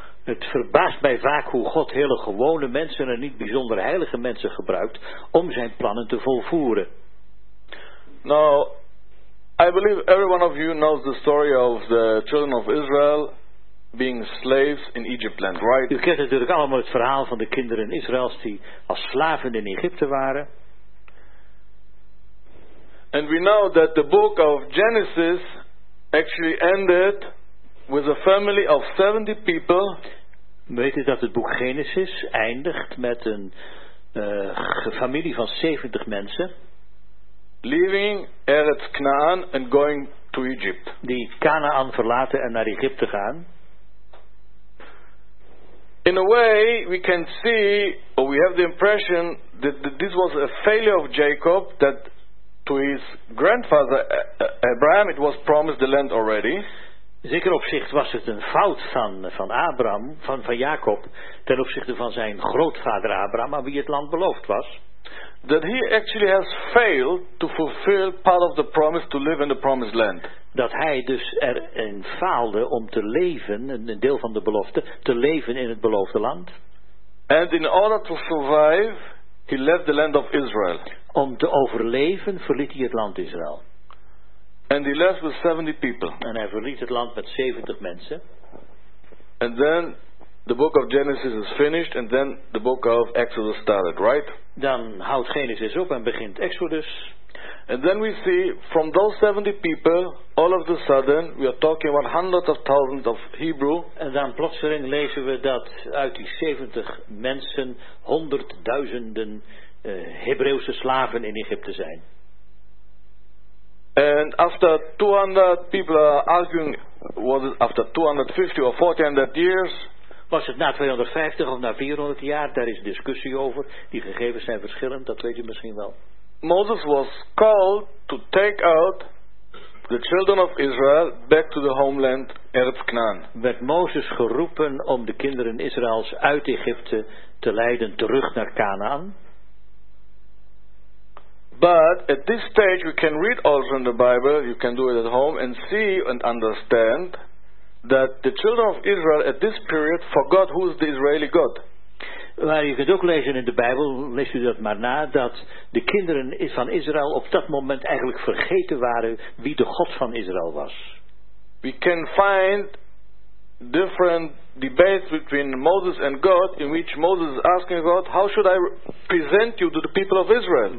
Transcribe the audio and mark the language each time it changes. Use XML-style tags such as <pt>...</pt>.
<nl>Het verbaast mij vaak hoe God hele gewone mensen en niet bijzonder heilige mensen gebruikt om zijn plannen te volvoeren.</nl> <en>Now, I believe every one of you knows the story of the children of Israel being slaves in Egypt land, right?</en> <nl>U kent natuurlijk allemaal het verhaal van de kinderen in Israëls die als slaven in Egypte waren.</nl> <en>And we know that the book of Genesis actually ended with a family of 70 people.</en> <nl>Weet u dat het boek Genesis eindigt met een familie van 70 mensen?</nl> <en>Leaving Eretz Canaan and going to Egypt.</en> <nl>Die Canaan verlaten en naar Egypte gaan.</nl> <en>In a way we can see, or we have the impression that this was a failure of Jacob, that to his grandfather Abraham it was promised the land already.</en> <nl>Zeker opzicht was het een fout van Abraham, van Jacob, ten opzichte van zijn grootvader Abraham, aan wie het land beloofd was.</nl> <en>That he actually has failed to fulfill part of the promise to live in the promised land.</en> <nl>Dat hij dus erin faalde om te leven, een deel van de belofte, te leven in het beloofde land.</nl> <en>And in order to survive, he left the land of Israel.</en> <nl>Om te overleven verliet hij het land Israël.</nl> <en>And he left with 70 people.</en> <nl>En hij verliet het land met 70 mensen.</nl> <en>And then the book of Genesis is finished and then the book of Exodus started, right?</en> <nl>Dan houdt Genesis op en begint Exodus.</nl> <en>And then we see from those 70 people all of a sudden we are talking about hundreds of thousands of Hebrew.</en> <nl>En dan plotseling lezen we dat uit die 70 mensen honderdduizenden Hebreeuwse slaven in Egypte zijn.</nl> <en>And after 200 people are arguing, was it after 250 or 400 years?</en> <nl>Was het na 250 of na 400 jaar? Daar is discussie over. Die gegevens zijn verschillend, dat weet u misschien wel.</nl> <en>Moses was called to take out the children of Israel back to the homeland, Eretz Canaan.</en> <nl>Werd Mozes geroepen om de kinderen Israëls uit Egypte te leiden terug naar Canaan?</nl> <en>But at this stage we can read also in the Bible, you can do it at home and see and understand that the children of Israel at this period forgot who is the Israeli God.</en> <nl>Maar je kunt ook lezen in de Bijbel, lees u dat maar na, dat de kinderen van Israël op dat moment eigenlijk vergeten waren wie de God van Israël was.</nl> <en>We can find different debates between Moses and God, in which Moses is asking God, how should I present you to the people of Israel?</en>